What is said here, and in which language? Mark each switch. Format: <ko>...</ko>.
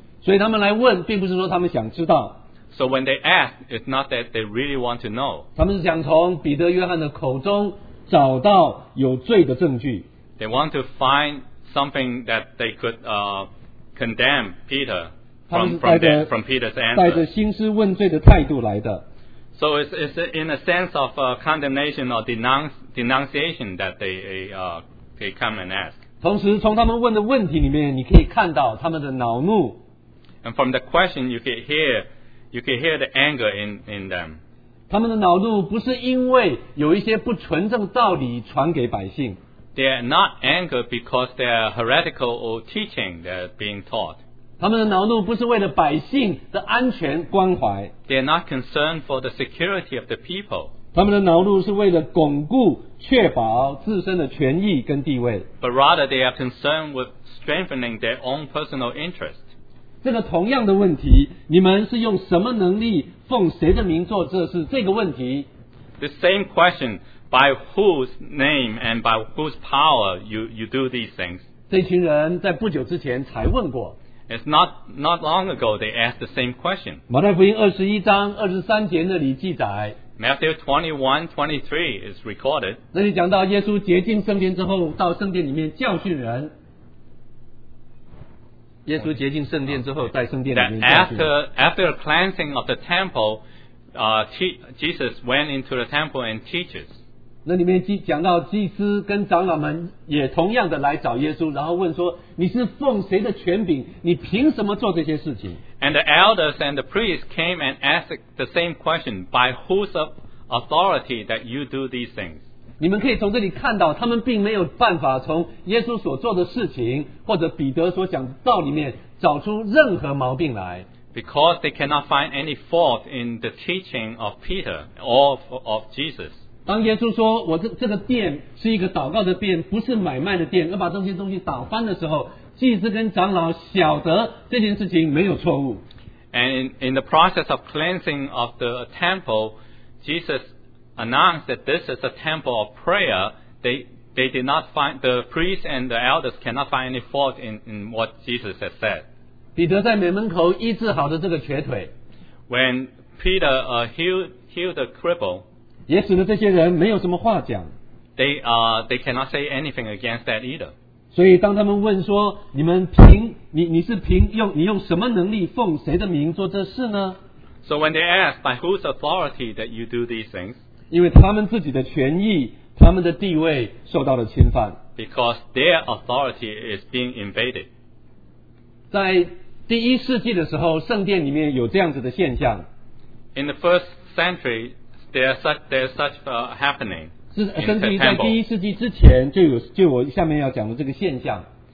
<zh>所以他们来问，并不是说他们想知道。</zh> <en>So when they ask, it's not that they really want to know.</en> <zh>他们是想从彼得约翰的口中找到有罪的证据。</zh> <en>They want to find something that they could condemn Peter from Peter's answer.</en> <zh>带着兴师问罪的态度来的。</zh> <en>So it's in a sense of condemnation or denunciation that they come and ask.</en> <zh>同时从他们问的问题里面你可以看到他们的恼怒。</zh> <en>And from the question you can hear the anger in them.</en> <zh>他们的恼怒不是因为有一些不纯正道理传给百姓。</zh> <en>They are not angered because they are heretical or teaching that are being taught.</en> <zh>他们的恼怒不是为了百姓的安全关怀。</zh> <en>They are not concerned for the security of the people.</en> <zh>他们的恼怒是为了巩固、确保自身的权益跟地位。</zh> <en>But rather they are concerned with strengthening their own personal interest.</en> <zh>这个同样的问题，你们是用什么能力奉谁的名做这事？这个问题。</zh> <en>The same question, by whose name and by whose power you do these things?</en> <zh>这群人在不久之前才问过。</zh> <en>It's not long ago they asked the same question.</en> <zh>马太福音二十一章二十三节那里记载。</zh> <en>Matthew 21:23 is recorded.</en> <zh>那里讲到耶稣洁净圣殿之后，到圣殿里面教训人。耶稣洁净圣殿之后，在圣殿里面教训人。</zh> <en>After the cleansing of the temple, Jesus went into the temple and teaches.</en> <zh>那里面讲到祭司跟长老们也同样的来找耶稣，然后问说：“你是奉谁的权柄？你凭什么做这些事情？”</zh> <en>And the elders and the priests came and asked the same question: By whose authority that you do these things?</en> <zh>你们可以从这里看到，他们并没有办法从耶稣所做的事情或者彼得所讲道里面找出任何毛病来。</zh> <en>Because they cannot find any fault in the teaching of Peter or of Jesus.</en> <zh>当耶稣说我这个殿是一个祷告的殿，不是买卖的殿，要把这些东西打翻的时候，祭司跟长老晓得这件事情没有错误。</zh> <en>And in the process of cleansing of the temple, Jesus announced that this is a temple of prayer. They did not find, the priests and the elders cannot find any fault in what Jesus has said.</en> <zh>彼得在门口医治好的这个瘸腿</zh> <en>When Peter healed the cripple</en> <zh>也使得这些人没有什么话讲</zh> <en>They cannot say anything against that either</en> <zh>所以当他们问说你们凭 你是凭用你用什么能力奉谁的名做这事呢</zh> <en>So when they ask by whose authority that you do these things</en> <zh>因为他们自己的权益他们的地位受到了侵犯</zh> <en>Because their authority is being invaded</en> <zh>在第一世纪的时候，圣殿里面有这样子的现象。</zh> <en>In the first century, there's such a happening.</en> <zh>是甚至在第一世纪之前就我下面要讲的这个现象。</zh>